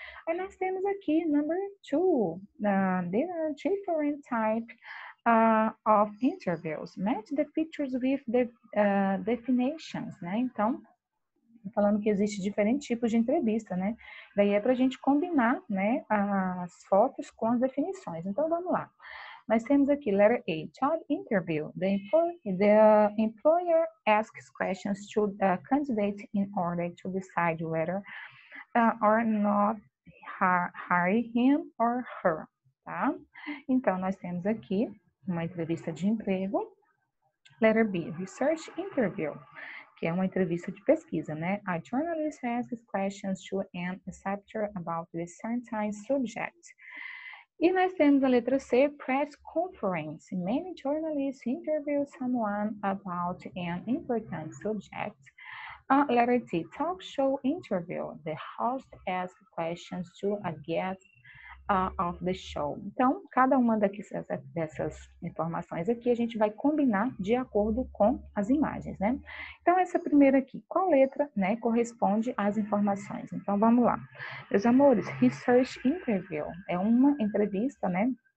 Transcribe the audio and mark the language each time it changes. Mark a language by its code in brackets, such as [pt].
[pt] Aí nós temos aqui, [en] number two, there are different types of interviews. Match the features with the definitions, né? [pt] Então, falando que existe diferentes tipos de entrevista, né? Daí é para a gente combinar, né, as fotos com as definições. Então, vamos lá. Nós temos aqui, letter A, job interview. [en] The employer asks questions to the candidate in order to decide whether or not hire him or her, tá? [pt] Então, nós temos aqui uma entrevista de emprego. Letter B, research interview, que é uma entrevista de pesquisa, né? [en] A journalist asks questions to an examiner about the certain subject. [pt] E nós temos a letra C, press conference. [en] Many journalists interview someone about an important subject. Letter T, talk show interview. The host asks questions to a guest of the show. [pt] Então, cada uma dessas informações aqui a gente vai combinar de acordo com as imagens, né? Então, essa primeira aqui, qual letra, né, corresponde às informações? Então, vamos lá. Meus amores, research interview é uma entrevista, né?